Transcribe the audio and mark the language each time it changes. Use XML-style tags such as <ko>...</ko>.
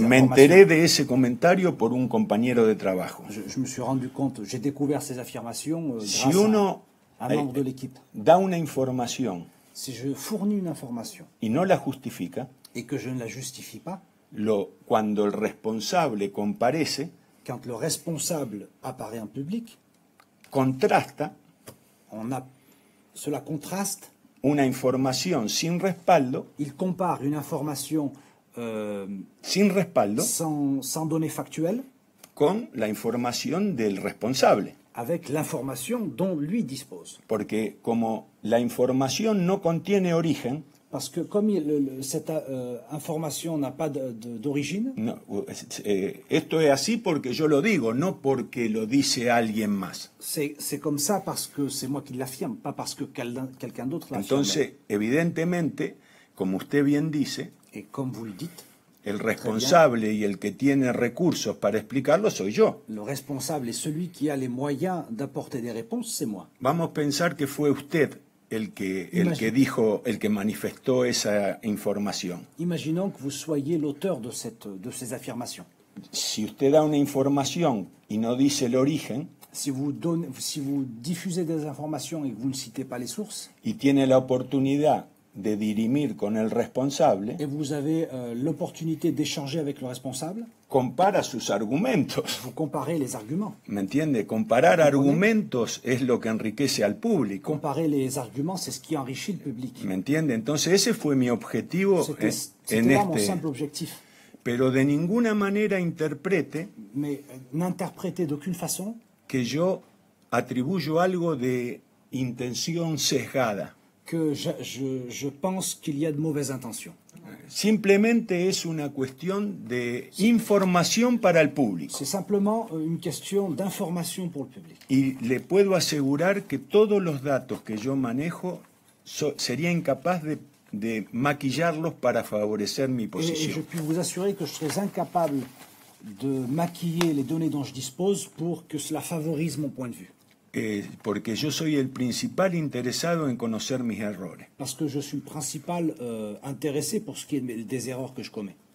<es>Me enteré de ese comentario por un compañero de trabajo.</es> <fr>Je me suis rendu compte, j'ai découvert ces affirmations</fr> <es>si uno</es> <fr>a un membre de l'équipe.</fr> <es>Da una información.</es> <fr>Si je fournis une information.</fr> <es>Y no la justifica.</es> <fr>Et que je ne la justifie pas.</fr> <es>Cuando el responsable comparece.</es> <fr>Quand le responsable apparaît en public.</fr> <es>Contrasta,</es> <fr>cela contraste</fr> <es>una información sin respaldo.</es> <fr>Il compare une information</fr> <es>sin respaldo,</es> <fr>sans données factuelles,</fr> <es>con la información del responsable,</es> <fr>avec l'information dont lui dispose.</fr> <es>Porque como la información no contiene origen,</es> <fr>parce que comme cette information n'a pas d'origine.</fr> <es>No, esto es así porque yo lo digo, no porque lo dice alguien más.</es> <fr>C'est comme ça parce que c'est moi qui l'affirme, pas parce que quelqu'un d'autre l'affirme.</fr> <es>Entonces, evidentemente, como usted bien dice,</es> <fr>et comme vous le dites,</fr> <es>el responsable y el que tiene recursos para explicarlo soy yo.</es> <fr>Le responsable et celui qui a les moyens d'apporter des réponses, c'est moi.</fr> <es>Vamos a pensar que fue usted el que manifestó esa información.</es> <fr>Imaginons que vous soyez l'auteur de ces affirmations.</fr> <es>Si usted da una información y no dice el origen,</es> <fr>si vous diffusez des informations et que vous ne citez pas les sources,</fr> <es>y tiene la oportunidad de dirimir con el responsable,</es> <fr>et vous avez l'opportunité d'échanger avec le responsable,</fr> <es>compara sus argumentos.</es> <fr>Vous comparez les arguments.</fr> <es>¿Me entiende? Comparar argumentos es lo que enriquece al público.</es> <fr>Comparer les arguments, c'est ce qui enrichit le public.</fr> <es>¿Me entiende? Entonces ese fue mi objetivo</es> <fr>mon simple objectif.</fr> <es>Pero de ninguna manera interprete,</es> <fr>mais n'interprétez d'aucune façon,</fr> <es>que yo atribuyo algo de intención sesgada.</es> <fr>Que je pense qu'il y a de mauvaises intentions.</fr> <es>Simplemente es una cuestión de información para el público.</es> <fr>C'est simplement une question d'information pour le public.</fr> <es>Y le puedo asegurar que todos los datos que yo manejo sería incapaz de maquillarlos para favorecer mi posición.</es> <fr>Et je puis vous assurer que je serais incapable de maquiller les données dont je dispose pour que cela favorise mon point de vue.</fr> <es>Porque yo soy el principal interesado en conocer mis errores. Porque yo soy el principal interesado por lo que es de los errores que yo cometo.</es>